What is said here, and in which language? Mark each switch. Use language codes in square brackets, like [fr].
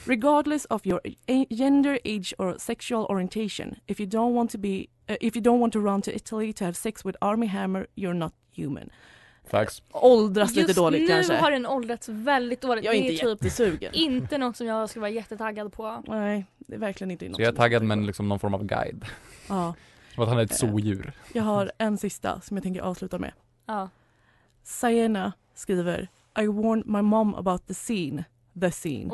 [en] "Regardless of your gender, age or sexual orientation, if you don't want to be if you don't want to run to Italy to have sex with Army Hammer, you're not human." Facts. [sv] Åldras just lite dåligt nu kanske. Nu har den åldrats väldigt dåligt. Jag är inte jättesugen. Inte något som jag ska vara jättetaggad på. Nej, det är verkligen inte något. Så jag är taggad, men liksom någon form av guide. Ja. Att han är ett sodjur. Jag har en sista som jag tänker avsluta med. Ja. Sienna skriver: [en] "I warned my mom about the scene, the scene.